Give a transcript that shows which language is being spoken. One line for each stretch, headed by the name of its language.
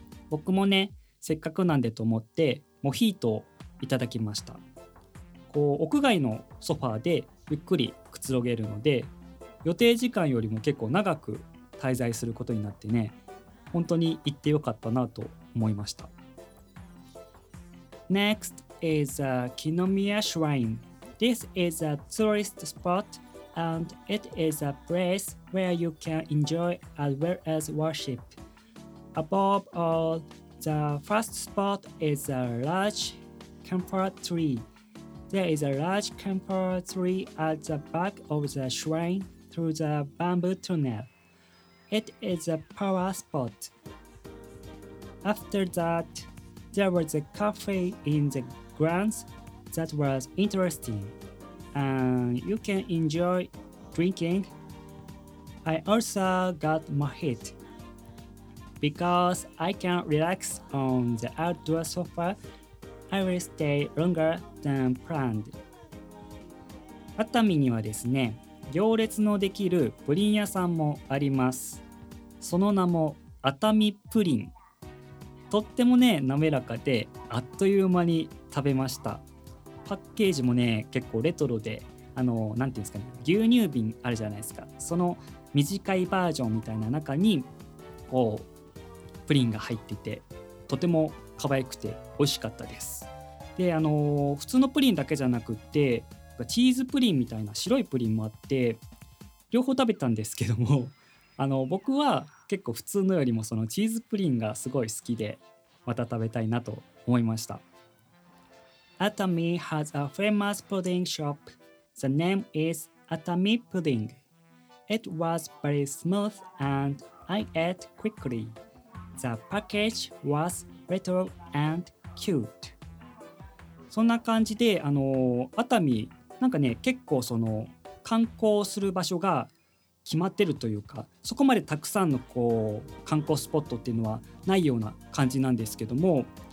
Japanese: 僕もねせっかくなんでと思ってモヒートをいただきました。こう屋外のソファーでゆっくりくつろげるので予定時間よりも結構長く滞在することになってね本当に行ってよかったなと思いました。
English: Next is a Kinomiya Shrine. This is a tourist spot and it is a place where you can enjoy as well as worship. Above all, the first spot is a large camphor tree. There is a large camphor tree at the back of the shrine through the bamboo tunnel. It is a power spot. After that, there was a cafe in the grounds that was interesting, and you can enjoy drinking. I also got mojito because I can relax on the outdoor sofa. I will stay longer than planned.
Japanese: 熱海にはですね、行列のできるプリン屋さんもあります。その名も熱海プリン。とってもね滑らかであっという間に食べました。パッケージもね結構レトロで、あのなんていうんですかね、牛乳瓶あるじゃないですか、その短いバージョンみたいな中にこうプリンが入っていてとても可愛くて美味しかったです。で普通のプリンだけじゃなくってチーズプリンみたいな白いプリンもあって両方食べたんですけども、僕は結構普通のよりもそのチーズプリンがすごい好きでまた食べたいなと思いました。
English: Atami has a famous pudding shop. The name is Atami Pudding. It was very smooth and I ate quickly. The package was little and cute.
Japanese: そんな感じで熱海なんかね結構その観光する場所が決まってるというか、そこまでたくさんのこう観光スポットっていうのはないような感じなんですけども、